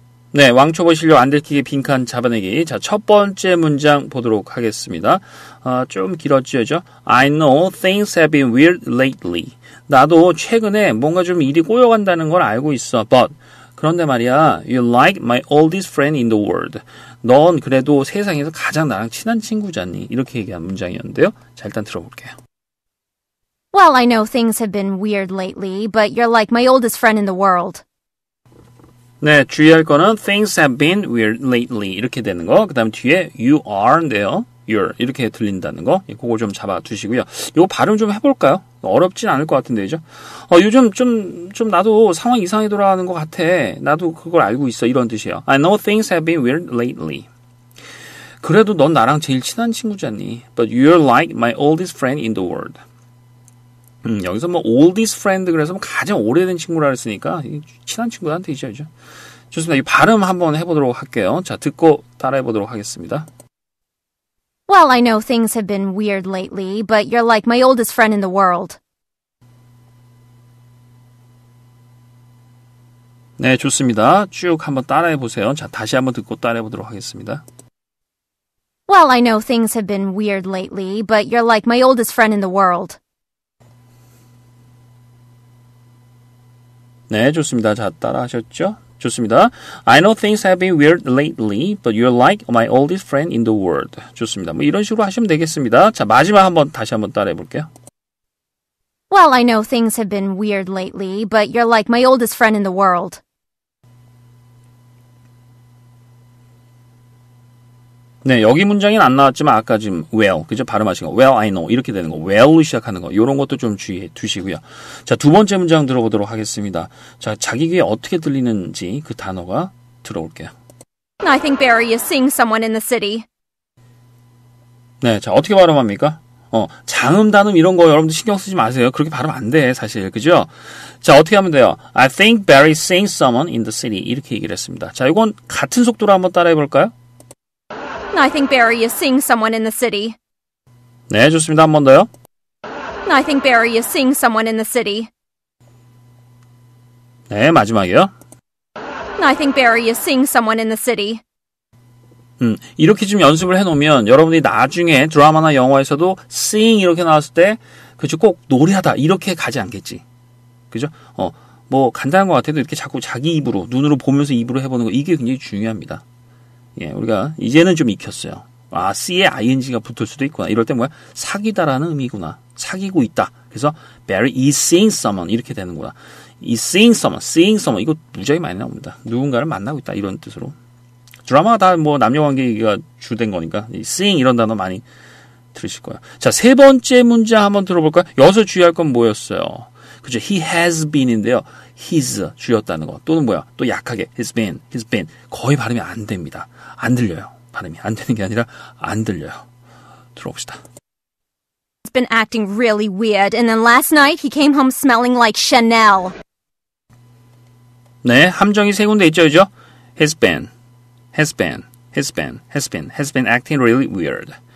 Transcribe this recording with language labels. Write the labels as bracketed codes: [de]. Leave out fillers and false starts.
[ko] 네, 왕초보 실력 안들키기 빈칸 잡아내기. 자, 첫 번째 문장 보도록 하겠습니다. 좀 길었죠. [en] I know things have been weird lately. [ko] 나도 최근에 뭔가 좀 일이 꼬여간다는 걸 알고 있어. [en] But, [ko] 그런데 말이야, [en] you like my oldest friend in the world. [ko] 넌 그래도 세상에서 가장 나랑 친한 친구잖니. 이렇게 얘기한 문장이었는데요. 자, 일단 들어볼게요. [en] Well, I know things have been weird lately, but you're like my oldest friend in the world. [ko] 네, 주의할 거는 [en] things have been weird lately [ko] 이렇게 되는 거, 그 다음 뒤에 [en] you are [ko] 인데요, you're 이렇게 들린다는 거, 그거 좀 잡아두시고요. 이거 발음 좀 해볼까요? 어렵진 않을 것 같은데, 그죠? 요즘 좀 나도 상황 이상해 돌아가는 것 같아. 나도 그걸 알고 있어. 이런 뜻이에요. [en] I know things have been weird lately. [ko] 그래도 넌 나랑 제일 친한 친구잖니. [en] But you're like my oldest friend in the world. [ko] 여기서 뭐 [en] oldest friend [ko] 그래서 뭐 가장 오래된 친구라 했으니까 친한 친구한테 이죠. 좋습니다. 이 발음 한번 해보도록 할게요. 자, 듣고 따라해보도록 하겠습니다. [en] Well, I know things have been weird lately, but you're like my oldest friend in the world. [ko] 네, 좋습니다. 쭉 한번 따라해보세요. 자, 다시 한번 듣고 따라해보도록 하겠습니다. [en] Well, I know things have been weird lately, but you're like my oldest friend in the world. [ko] 네, 좋습니다. 자, 따라하셨죠? 좋습니다. [en] I know things have been weird lately, but you're like my oldest friend in the world. [ko] 좋습니다. 뭐 이런 식으로 하시면 되겠습니다. 자, 마지막 한번 다시 한번 따라해볼게요. [en] Well, I know things have been weird lately, but you're like my oldest friend in the world. [ko] 네, 여기 문장엔 안 나왔지만 아까 지금 well, 그죠? 발음하신 거. [en] Well, I know. [ko] 이렇게 되는 거. Well로 시작하는 거. 이런 것도 좀 주의해 두시고요. 자, 두 번째 문장 들어보도록 하겠습니다. 자, 자기 귀에 어떻게 들리는지 그 단어가 들어올게요. [en] I think Barry is seeing someone in the city. [ko] 네, 자, 어떻게 발음합니까? 장음 단음 이런 거 여러분들 신경 쓰지 마세요. 그렇게 발음 안 돼, 사실. 그죠? 자, 어떻게 하면 돼요? [en] I think Barry is seeing someone in the city. [ko] 이렇게 얘기를 했습니다. 자, 이건 같은 속도로 한번 따라해볼까요? [en] I think Barry is seeing someone in the city. [ko] 네, 좋습니다. 한 번 더요. [en] I think Barry is seeing someone in the city. [ko] 네, 마지막이요. [en] I think Barry is seeing someone in the city. [ko] 이렇게 좀 연습을 해놓으면 여러분이 나중에 드라마나 영화에서도 sing 이렇게 나왔을 때 그죠 꼭 노래하다 이렇게 가지 않겠지. 그죠? 뭐 간단한 것 같아도 이렇게 자꾸 자기 입으로 눈으로 보면서 입으로 해보는 거 이게 굉장히 중요합니다. 예, 우리가 이제는 좀 익혔어요. 아, C에 ING가 붙을 수도 있구나. 이럴 때 뭐야? 사귀다라는 의미구나. 사귀고 있다. 그래서 [en] Barry is seeing someone [ko] 이렇게 되는구나. [en] Is seeing someone, seeing someone [ko] 이거 무지하게 많이 나옵니다. 누군가를 만나고 있다 이런 뜻으로. 드라마가 다 뭐 남녀관계가 주된 거니까 seeing 이런 단어 많이 들으실 거예요. 자, 세 번째 문장 한번 들어볼까요? 여기서 주의할 건 뭐였어요? 그죠? [en] He has been [ko] 인데요. His 주였다는 거. 또는 뭐야? 또 약하게 [en] has been, has been. [ko] 거의 발음이 안 됩니다. 안 들려요. 발음이 안 되는 게 아니라 안 들려요. 들어봅시다. [en] He's been acting really weird and then last night he came home smelling like Chanel. [ko] 네, 함정이 세 군데 있죠, 그죠? [en] Has been, has been, has been, has been, has been acting really weird.